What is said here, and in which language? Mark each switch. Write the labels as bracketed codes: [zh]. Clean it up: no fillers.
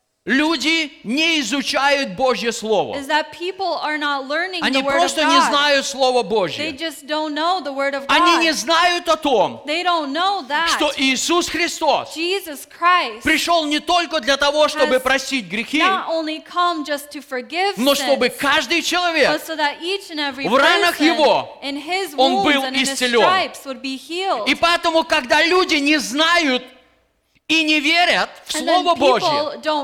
[ru] люди не изучают Божье Слово. [en] Is that people are not learning [ru] они [en] the word [ru] просто [en] of God. [ru] Не знают Слово Божье. [en] They just don't know the word of God. [ru] Они не знают о том, [en] they don't know that [ru] что Иисус Христос [en] Jesus Christ [ru] пришел не только для того, чтобы простить грехи, [en] not only come just to forgive [ru] но чтобы каждый человек [en] but so that each and every [ru] в ранах [en] person, [ru] Его [en] in his [ru] он был [en] and [ru] исцелен. [en] In his stripes would be healed. [ru] И поэтому, когда люди не знают и не верят в Слово Божье.